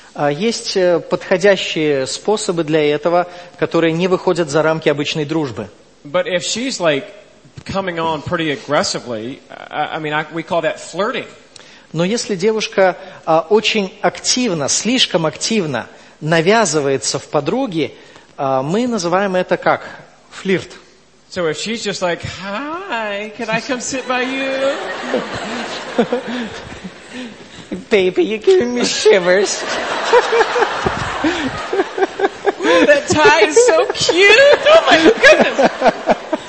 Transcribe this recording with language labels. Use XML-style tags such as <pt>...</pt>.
<ru>Есть подходящие способы для этого, которые не выходят за рамки обычной дружбы.</ru> <en>But if she's like coming on pretty aggressively, we call that flirting.</en> <ru>Но если девушка очень активно, слишком активно навязывается в подруги, мы называем это как? Флирт.</ru> <en>So if she's just like, hi, can I come sit by you? Baby, you're giving me shivers. Ooh, that tie is so cute. Oh my goodness.</en>